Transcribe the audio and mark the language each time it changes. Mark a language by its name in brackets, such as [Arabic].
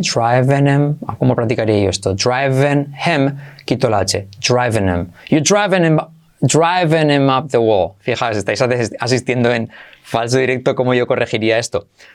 [Spanish] Driving him, ¿cómo practicaría yo esto? Driving him, quito la H, driving him, [English] you're driving him up the wall. [Spanish] Fijaos, estáis asistiendo en falso directo, ¿cómo yo corregiría esto?